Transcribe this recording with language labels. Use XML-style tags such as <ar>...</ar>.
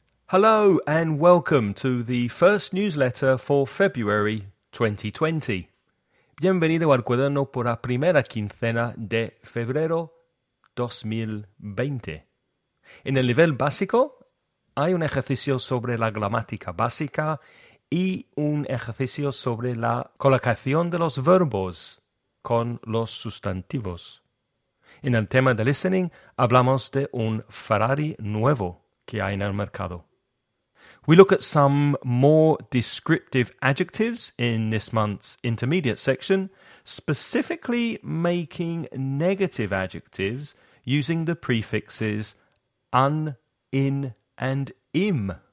<en>Hello and welcome to the first newsletter for February 2020.</en> <es>Bienvenido al cuaderno por la primera quincena de febrero 2020. En el nivel básico, hay un ejercicio sobre la gramática básica y un ejercicio sobre la colocación de los verbos con los sustantivos. En el tema de listening, hablamos de un Ferrari nuevo que hay en el mercado.</es> <en>We look at some more descriptive adjectives in this month's intermediate section, specifically making negative adjectives using the prefixes un, in, and im.</en>